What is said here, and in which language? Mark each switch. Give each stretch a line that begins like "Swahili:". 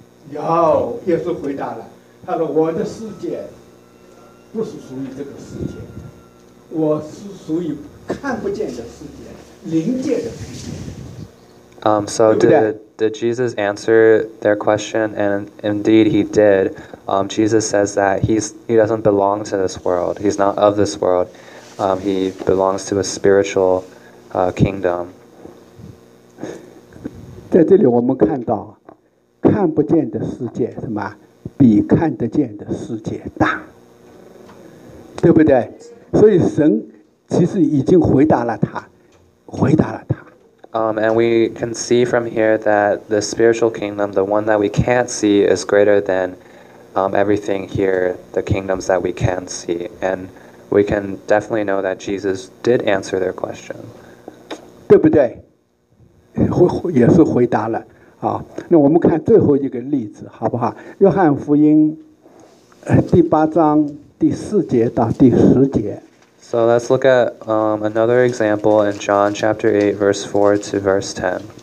Chinese: 有，耶稣回答了。他说：“我的世界不是属于这个世界，我是属于看不见的世界，灵界的世界。”
English: So
Chinese: 对不对？
English: Did Jesus answer their question? And indeed he did. Jesus says that he doesn't belong to this world. He's not of this world. He belongs to a spiritual kingdom.
Chinese: 在这里我们看到看不见的世界什么比看得见的世界大，对不对？所以神其实已经回答了他，回答了他。
English: And we can see from here that the spiritual kingdom, the one that we can't see, is greater than everything here, the kingdoms that we can see. And we can definitely know that Jesus did answer their question.
Chinese: 对不对？也是回答了。那我们看最后一个例子，好不好？约翰福音第八章第四节到第十节。
English: So let's look at another example in John chapter 8, verse 4 to verse 10.